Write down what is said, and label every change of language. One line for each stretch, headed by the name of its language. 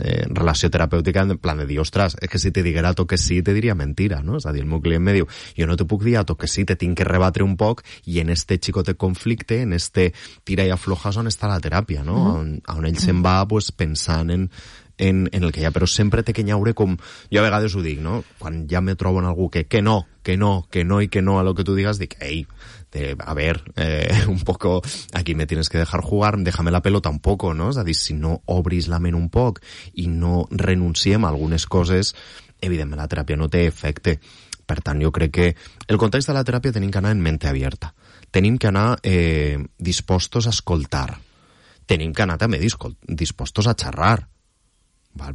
Catalan: Relació terapèutica, en plan de dir, ostres, és que si te diguera a to que sí, te diria mentira, no? És a dir, el meu client me diu, jo no te puc dir a to que sí, te tinc que rebatre un poc, i en este xicote conflicte, en este tira i afloja, on està la teràpia, no? On ell se'n va, pues, pensant en en el que hi ha, però sempre té que nyaure com... Jo a vegades ho dic, no? Quan ja me trobo en algú que no i que no a lo que tu digues, dic, ei,
Spanish: a ver, un poco,
Catalan: aquí me tienes que dejar jugar, déjame la pelota un poco, no? És a dir, si no obris la ment un poc i no renunciem a algunes coses, evidentment la teràpia no té efecte. Per tant, jo crec que el context de la teràpia tenim que anar en
Spanish: mente abierta.
Catalan: Tenim que anar dispostos a escoltar. Tenim que anar també dispostos a xerrar. Val?